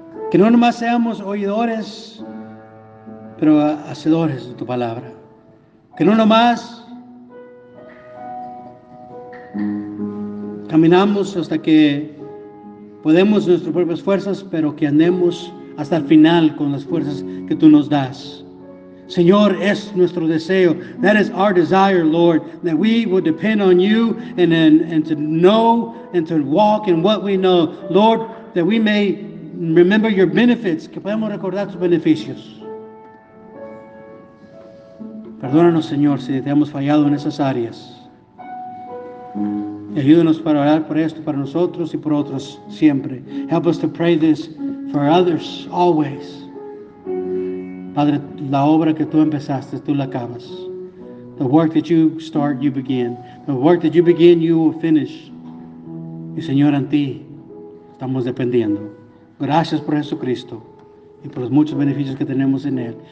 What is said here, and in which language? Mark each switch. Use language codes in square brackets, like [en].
[es] Que no nomás seamos oidores, pero hacedores de tu palabra. Que no nomás caminamos hasta que podemos nuestras propias fuerzas, pero que andemos hasta el final con las fuerzas que tú nos das. Señor, es nuestro deseo. [en] That is our desire, Lord, that we would depend on you and to know and to walk in what we know. Lord, that we may remember your benefits, [es] que podamos recordar tus beneficios. Perdónanos, Señor, si te hemos fallado en esas áreas. Ayúdanos para orar por esto, para nosotros y por otros siempre. [en] Help us to pray this for others always. [es] Padre, la obra que tú empezaste, tú la acabas. [en] The work that you start, you begin. The work that you begin, you will finish. [es] Y Señor, en ti estamos dependiendo. Gracias por Jesucristo y por los muchos beneficios que tenemos en Él.